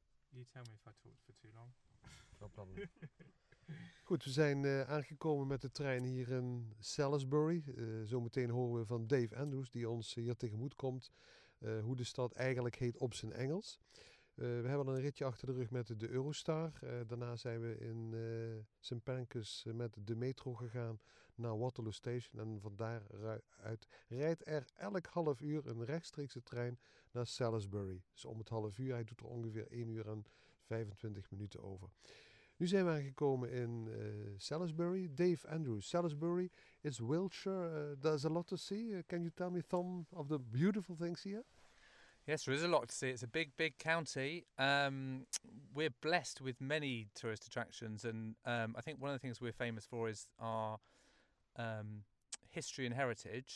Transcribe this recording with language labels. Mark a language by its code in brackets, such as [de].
[en] You tell me if I talked for too long. No problem. [nl] Goed, we zijn aangekomen met de trein hier in Salisbury. Zometeen horen we van Dave Andrews, die ons hier tegemoet komt, hoe de stad eigenlijk heet op zijn Engels. We hebben een ritje achter de rug met de Eurostar. Daarna zijn we in St. Pancras met de metro gegaan naar Waterloo Station. En van daaruit rijdt er elk half uur een rechtstreekse trein naar Salisbury. Dus om het half uur. Hij doet er ongeveer 1 uur en 25 minuten over. Nu zijn we aangekomen in Salisbury. [en] Dave Andrews, Salisbury is Wiltshire. There's a lot to see. Can you tell me some of the beautiful things here? Yes, there is a lot to see. It's a big, big county. We're blessed with many tourist attractions. And I think one of the things we're famous for is our history and heritage.